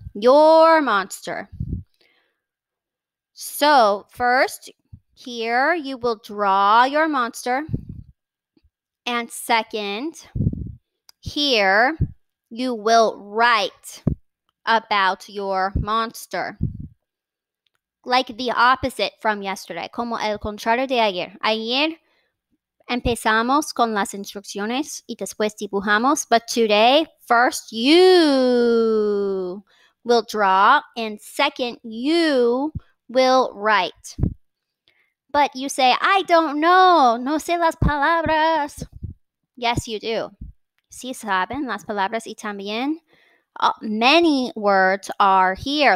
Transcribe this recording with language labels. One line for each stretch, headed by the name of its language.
English: Your monster. So first, here you will draw your monster. And second, here you will write about your monster. Like the opposite from yesterday.
Spanish: Como el contrario de ayer. Ayer empezamos con las instrucciones y después dibujamos.
English: But today, first you will draw and second you will write. But you say, I don't know.
Spanish: No sé las palabras.
English: Yes, you do.
Spanish: Sí saben las palabras y también.
English: Many words are here.